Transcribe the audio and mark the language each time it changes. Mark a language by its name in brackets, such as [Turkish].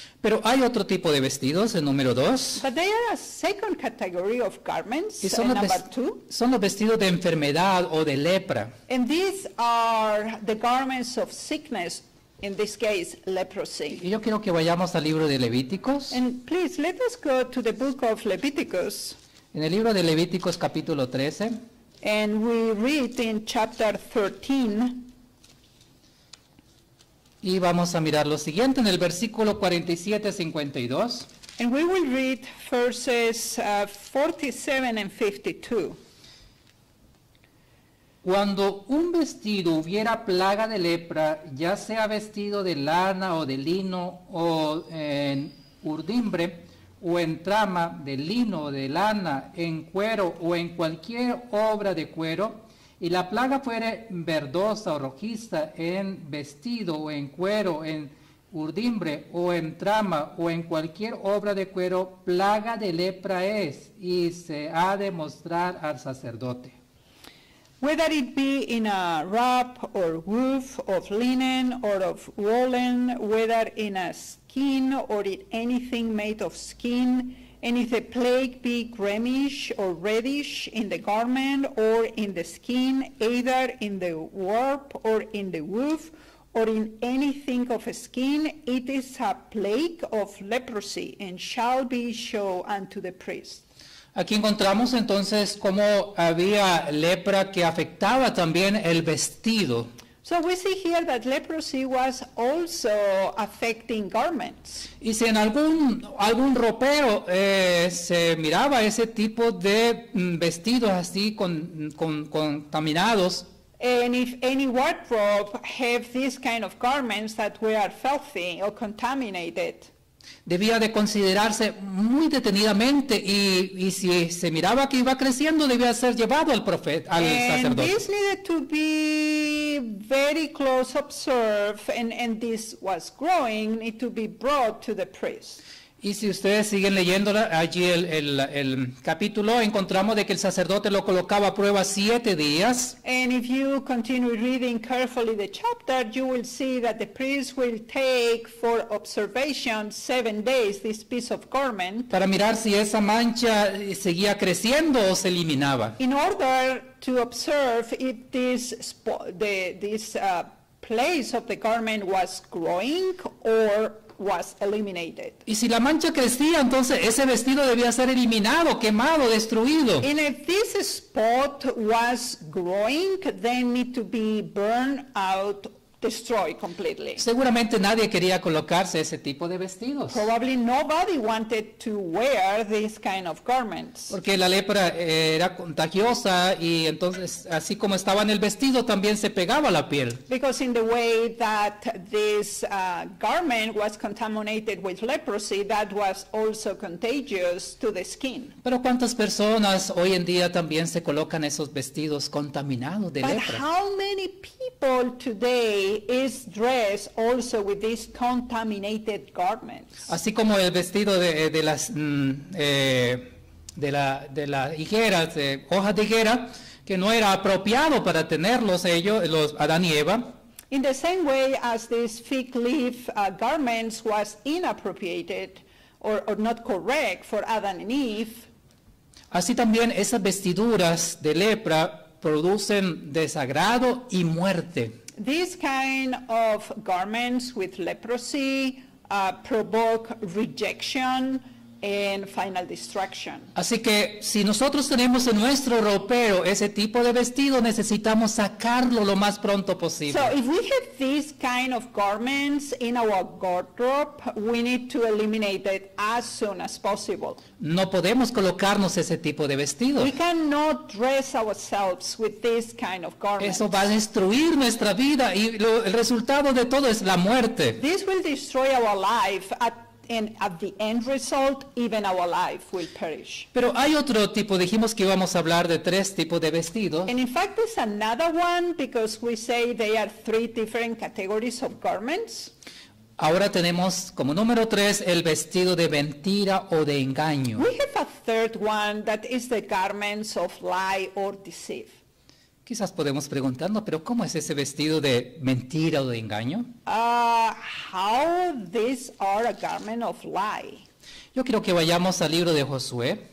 [Spanish] Pero hay otro tipo de vestidos, el número dos. [English] But they are a second category of garments, number two. [Spanish] Son los vestidos de enfermedad o de lepra. [English] And these are the garments of sickness, in this case, leprosy. [Spanish] Y yo quiero que vayamos al libro de Levíticos. [English] And please, let us go to the book of Leviticus. [Spanish] En el libro de Levíticos, capítulo 13. [English] And we read in chapter 13. [Spanish] Y vamos a mirar lo siguiente en el versículo 47-52. [English] And we will read verses 47 and 52. [Spanish] Cuando un vestido hubiera plaga de lepra, ya sea vestido de lana o de lino o en urdimbre o en trama de lino o de lana, en cuero o en cualquier obra de cuero, y la plaga fuere verdosa o rojiza en vestido o en cuero, en urdimbre o en trama o en cualquier obra de cuero, plaga de lepra es, y se ha de mostrar al sacerdote. [English] Whether it be in a wrap or woof of linen or of woolen, whether in a skin or in anything made of skin, and if the plague be greenish or reddish in the garment or in the skin, either in the warp or in the woof or in anything of a skin, it is a plague of leprosy and shall be shown unto the priest. [Spanish] Aquí encontramos entonces cómo había lepra que afectaba también el vestido. [English] So we see here that leprosy was also affecting garments. [Spanish] Y si en algún ropero se miraba ese tipo de vestidos así con contaminados. [English] And if any wardrobe have this kind of garments that were filthy or contaminated. [Spanish] Debía de considerarse muy detenidamente y si se miraba que iba creciendo debía ser llevado al profeta al sacerdote. [English] This needed to be very close observed and this was growing need to be brought to the priest. [Spanish] Y si ustedes siguen leyendo allí el capítulo, encontramos de que el sacerdote lo colocaba a prueba 7 días. [English] And if you continue reading carefully the chapter, you will see that the priest will take for observation 7 days this piece of garment. [Spanish] Para mirar si esa mancha seguía creciendo o se eliminaba. [English] In order to observe if this place of the garment was growing or was eliminated. [Spanish] Y si la mancha crecía, entonces ese vestido debía ser eliminado, quemado, destruido. [English] And if this spot was growing, then need to be burned out, destroyed completely. [Spanish] Seguramente nadie quería colocarse ese tipo de vestidos. [English] Probably nobody wanted to wear these kind of garments. [Spanish] Porque la lepra era contagiosa y entonces así como estaba en el vestido también se pegaba la piel. [English] Because in the way that this garment was contaminated with leprosy, that was also contagious to the skin. [Spanish] Pero ¿cuántas personas hoy en día también se colocan esos vestidos contaminados de lepra? [English] But how many people today is dressed also with these contaminated garments. [Spanish] Así como el vestido de las higueras, de hojas de higuera, que no era apropiado para tenerlos ellos, los Adán y Eva. [English] In the same way as these fig leaf garments was inappropriate or not correct for Adán y Eve. [Spanish] Así también esas vestiduras de lepra producen desagrado y muerte. [English] These kind of garments with leprosy provoke rejection and final destruction. [Spanish] Así que si nosotros tenemos en nuestro ropero ese tipo de vestido, necesitamos sacarlo lo más pronto posible. [English] So if we have these kind of garments in our wardrobe, we need to eliminate it as soon as possible. [Spanish] No podemos colocarnos ese tipo de vestido. [English] We cannot dress ourselves with this kind of garments. [Spanish] Eso va a destruir nuestra vida y el resultado de todo es la muerte. [English] This will destroy our life and at the end result, even our life will perish. [Spanish] Pero hay otro tipo, dijimos que íbamos a hablar de 3 tipos de vestidos. [English] And in fact, there's another one because we say they are 3 different categories of garments. [Spanish] Ahora tenemos como número 3 el vestido de mentira o de engaño. [English] We have a third one that is the garments of lie or deceit. [Spanish] Quizás podemos preguntarnos, pero ¿cómo es ese vestido de mentira o de engaño? [English] How these are a garment of lie. [Spanish] Yo quiero que vayamos al libro de Josué.